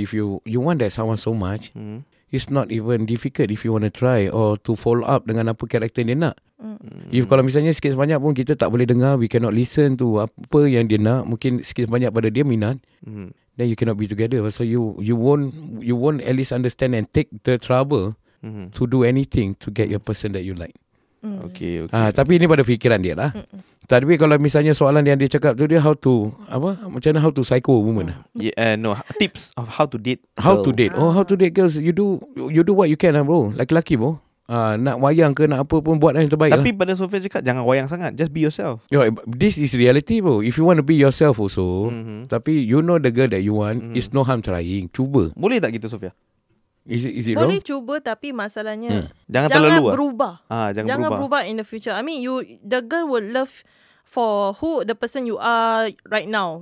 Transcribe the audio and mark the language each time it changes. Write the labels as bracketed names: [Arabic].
[English] If you want that someone so much, it's not even difficult if you want to try or to follow up [Malay] dengan apa karakter dia nak. If kalau misalnya sikit sebanyak pun kita tak boleh dengar, [English] we cannot listen to [Malay] apa yang dia nak, mungkin sikit sebanyak pada dia minat, [English] then you cannot be together. So you won't at least understand and take the trouble to do anything to get your person that you like. Okay. [Malay] Tapi ini pada fikiran dia lah. Tapi kalau misalnya soalan yang dia cakap tu, dia how to apa, macam mana [English] how to psycho a woman? Tips of how to date girl. How to date? How to date girls? You do what you can lah, bro. [Malay] Laki-laki bro, nak wayang ke nak apa pun, buat yang terbaik. Tapi pada Sofia cakap, jangan wayang sangat, [English] just be yourself. Yo, this is reality bro. If you want to be yourself also, tapi you know the girl that you want, it's no harm trying. [Malay] Cuba. Boleh tak gitu Sofia? [English] Is it [Malay] boleh [English] wrong? [Malay] Cuba, tapi masalahnya jangan terlalu berubah. Jangan berubah [English] in the future. I mean, the girl will love for who the person you are right now.